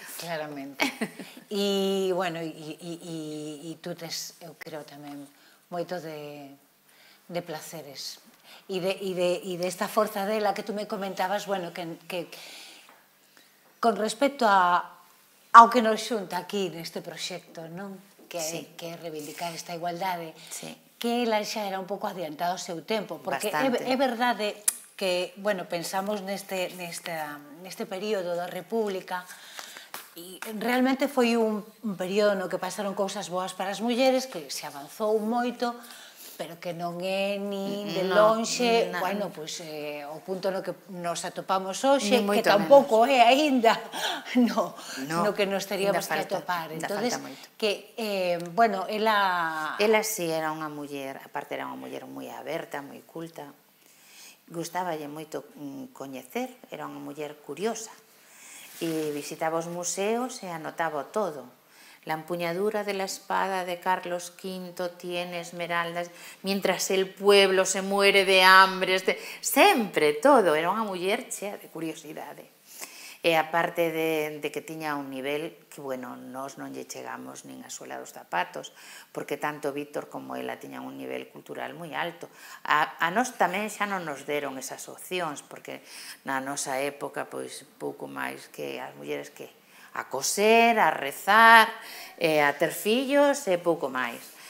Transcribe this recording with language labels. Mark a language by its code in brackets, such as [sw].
[gl] Claramente. E, bueno, e tú tes, eu creo tamén, moito de placeres. E de esta forza dela que tú me comentabas, bueno, que con respecto ao que nos xunta aquí neste proxecto, non? Que sí. Que reivindicar esta igualdade. Sí. Que ela xa era un pouco adiantado ao seu tempo, porque bastante. É verdade que, bueno, pensamos neste período da República e realmente foi un período no que pasaron cousas boas para as mulleres, que se avanzou moito, pero que non é nin de lonxe, no, bueno, pois o punto no que nos atopamos hoxe, que tampouco é aínda no que nos teríamos que atopar. Entonces, que bueno, ela si era unha muller, aparte era unha muller moi aberta, moi culta. Gustáballe moito coñecer, era unha muller curiosa. E visitaba os museos e anotaba todo. [es] La empuñadura de la espada de Carlos V tiene esmeraldas, mientras el pueblo se muere de hambre. [gl] Sempre, todo. Era unha muller chea de curiosidade. E aparte de que tiña un nivel que, bueno, nos non lle chegamos nin a suela dos zapatos, porque tanto Víctor como ela tiñan un nivel cultural moi alto. A nos tamén xa non nos deron esas opcións, porque na nosa época, pois, pouco máis que as mulleres que a coser, a rezar, a ter fillos e pouco máis.